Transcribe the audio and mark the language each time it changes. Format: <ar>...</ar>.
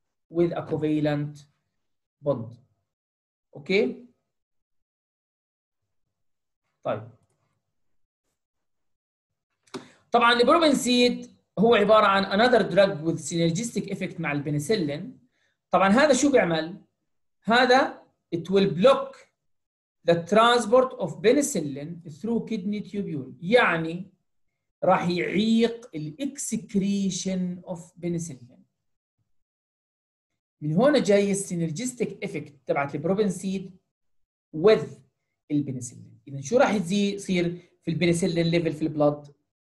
<en>with a covalent bond. Okay.</en> <ar>طيب. طبعا البروبنسيد هو عبارة عن</ar> <en>another drug with synergistic effect</en> <ar>مع البنسلين. طبعا هذا شو بيعمل؟ هذا</ar> <en>it will block the transport of penicillin through kidney tubule.</en> <ar>يعني راح يعيق ال</ar> <en>excretion of penicillin.</en> <ar>من هنا جاي</ar> <en>synergistic effect</en> <ar>تبعت البروبنسيد with البنسلين. إذن شو راح يصير في البنسلين level في البلد؟</ar>